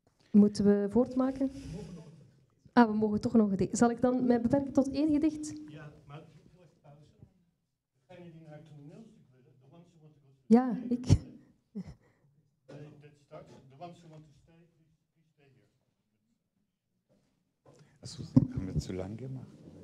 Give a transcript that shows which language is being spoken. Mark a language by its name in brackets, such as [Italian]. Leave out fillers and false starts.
[Dutch] Moeten we voortmaken? Ah, we mogen toch nog een gedicht. Zal ik dan mij beperken tot één gedicht? Ja, maar ik wil even pauze. Gaan jullie naar het toneel? [English] The ones who want to stay. [Dutch] Ja, ik. Dat start. [English] The ones who want to stay, please stay here. [Dutch] Dat hebben we te lang gemaakt.